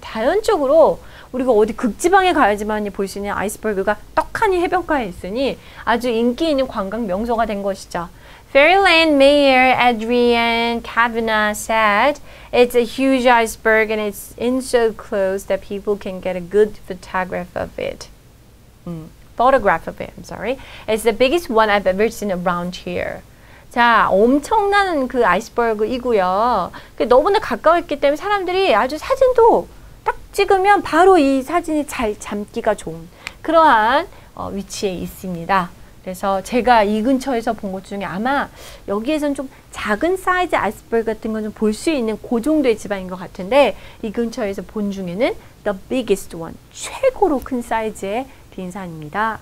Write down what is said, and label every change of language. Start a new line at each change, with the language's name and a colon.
Korean: 자연적으로 우리가 어디 극지방에 가야지만 볼 수 있는 아이스버그가 떡하니 해변가에 있으니 아주 인기 있는 관광 명소가 된 것이죠.
English: Fairland Mayor Adrian Kavanaugh said, "It's a huge iceberg and it's in so close that people can get a good photograph of it." I'm sorry. It's the biggest one I've ever seen around here.
Korean: 자, 엄청난 그 아이스버그이고요. 너무나 가까웠기 때문에 사람들이 아주 사진도 딱 찍으면 바로 이 사진이 잘 잡기가 좋은 그러한 위치에 있습니다. 그래서 제가 이 근처에서 본 것 중에 아마 여기에선 좀 작은 사이즈 아이스버그 같은 건 좀 볼 수 있는 고 정도의 지방인 것 같은데 이 근처에서 본 중에는
English: the biggest one,
Korean: 최고로 큰 사이즈의 빙산입니다.